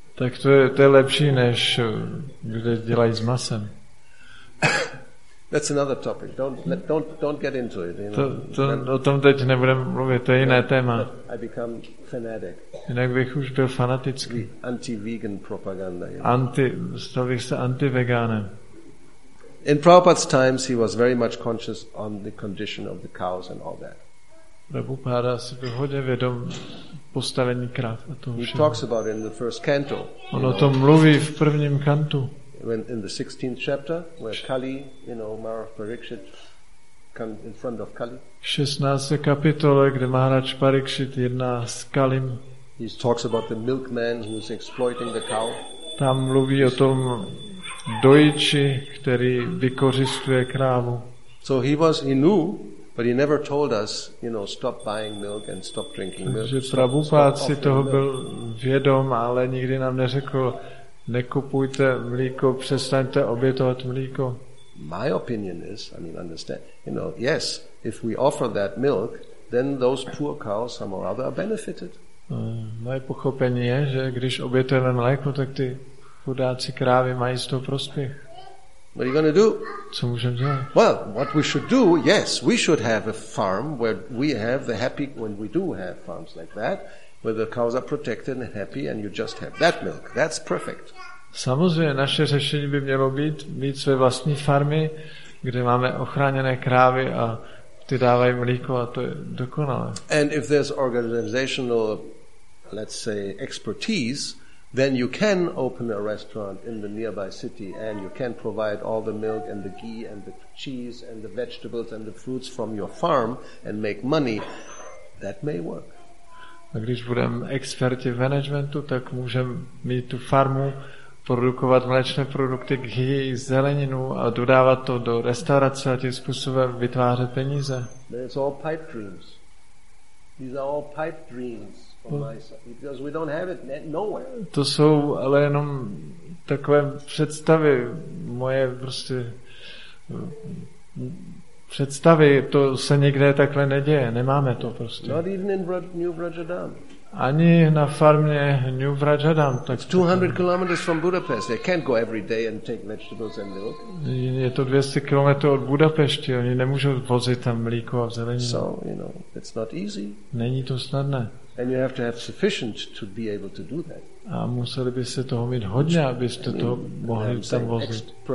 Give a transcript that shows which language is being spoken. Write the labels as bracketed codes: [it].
[cs] Tak to je lepší, než kde dělají s masem. [en] That's another topic. Don't get into it. You know? [cs] O tom teď nebudem mluvit, to je jiné téma. [en] I become fanatic. [cs] Jinak bych už byl fanatický. [en] Anti-vegan propaganda. You know? [cs] Stal bych se anti-vegánem. [en] In Prabhupada's times, he was very much conscious on the condition of the cows and all that. [cs] Prabhupada si byl hodně vědom postavení krav a toho všeho. [en] He talks about it in the first canto. [cs] On o tom mluví v prvním kantu. [en] When in the 16th chapter, where Kali, you know, Maharaj Parikshit, come in front of Kali. [cs] 16. kapitole, kde Maharaj Parikshit jedná s Kalim. [en] He talks about the milkman who is exploiting the cow. [cs] Tam mluví o tom dojiči, který vykořisťuje krávu. [en] So he knew, but he never told us, you know, stop buying milk and stop drinking milk. [cs] Takže Prabhupáda si toho byl vědom, ale nikdy nám neřekl, nekupujte mlíko, přestaňte obětovat mlíko. [en] My opinion is, I mean, understand, you know, yes, if we offer that milk, then those poor cows some or other are benefited. [cs] Moje pochopení je, že když obětujeme mléko, tak ty chudáci krávy mají z toho prospěch. [en] What are you going to do? [cs] Co můžeme dělat? [en] Well, what we should do, yes, we should have a farm where we have the happy, when we do have farms like that, where the cows are protected and happy and you just have that milk. That's perfect. [cs] Samozřejmě naše řešení by mělo být mít své vlastní farmy, kde máme ochráněné krávy a ty dávají mlíko a to je dokonalé. [en] And if there's organizational, let's say, expertise, then you can open a restaurant in the nearby city and you can provide all the milk and the ghee and the cheese and the vegetables and the fruits from your farm and make money. That may work. [cs] A když budeme experti v managementu, tak můžeme mít tu farmu, produkovat mléčné produkty, ghee, zeleninu a dodávat to do restaurace a tím způsobem vytvářet peníze. [en] It's all pipe dreams. These are all pipe dreams from my side, because we don't have it nowhere. [cs] To jsou ale jenom takové představy, moje prostě představy, to se nikde takhle neděje, nemáme to prostě. [en] Not even in New Vrajadam. [cs] Ani na farmě New Vrajadam. [en] It's 200 kilometers from Budapest. They can't go every day and take vegetables and milk. [cs] Je to 200 kilometrů od Budapešti, oni nemůžou vozit tam mlíko a zeleninu. [en] So, you know, it's not easy. [cs] Není to snadné. [en] And you have to have sufficient to be able to do that. [cs] A museli byste toho mít hodně, abyste to mohli tam vozit.